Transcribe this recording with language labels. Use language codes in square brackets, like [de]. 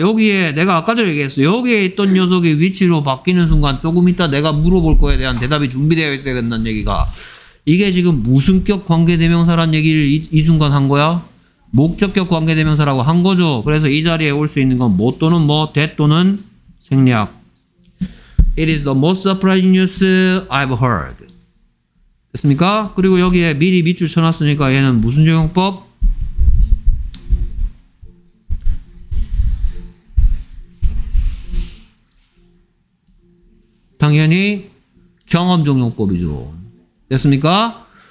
[ko] 여기에 내가 아까도 얘기했어. 여기에 있던 녀석이 위치로 바뀌는 순간 조금 이따 내가 물어볼 거에 대한 대답이 준비되어 있어야 된다는 얘기가 이게 지금 무슨격 관계대명사란 얘기를 이 순간 한 거야? 목적격 관계대명사라고 한 거죠. 그래서 이 자리에 올 수 있는 건 뭐 또는 뭐, 대 또는 생략. [en] It is the most surprising news I've heard. [ko] 됐습니까? 그리고 여기에 미리 밑줄 쳐놨으니까 얘는 무슨 적용법? 당연히 경험 종용법이죠. 됐습니까?